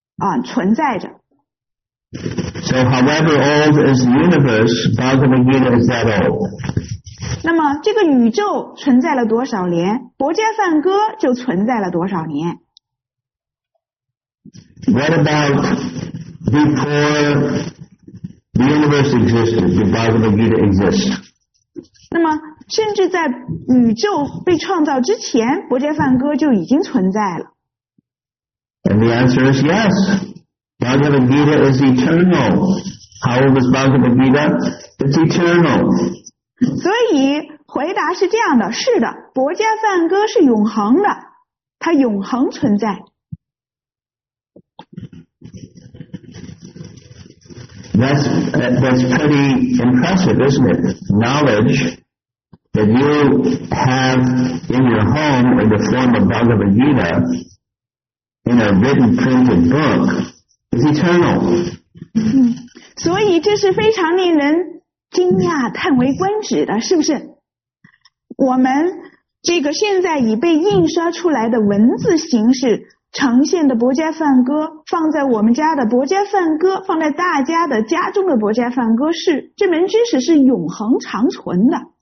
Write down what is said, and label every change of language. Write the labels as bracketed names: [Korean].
[Chinese] 在那个时候，太阳神在这个创造之初，存在着。 [English] So however old is the universe, Bhagavad Gita is that old. [Chinese] 那么这个宇宙存在了多少年，博伽梵歌就存在了多少年。 [English] What about before the universe existed? Did Bhagavad Gita exist? [Chinese] 那么，甚至在宇宙被创造之前， 博伽梵歌就已经存在了。 [English] And the answer is yes. Bhagavad Gita is eternal. How old is Bhagavad Gita? It's eternal. [Chinese] 所以回答是这样的， 是的， 博伽梵歌是永恒的， 它永恒存在。 [English] That's pretty impressive, isn't it? Knowledge that you have in your home in the form of Bhagavad Gita in a written printed book is eternal. [Chinese] 所以这是非常令人惊讶叹为观止的，是不是？我们这个现在已被印刷出来的文字形式呈现的博伽梵歌，放在我们家的博伽梵歌，放在大家的家中的博伽梵歌，是这门知识是永恒长存的。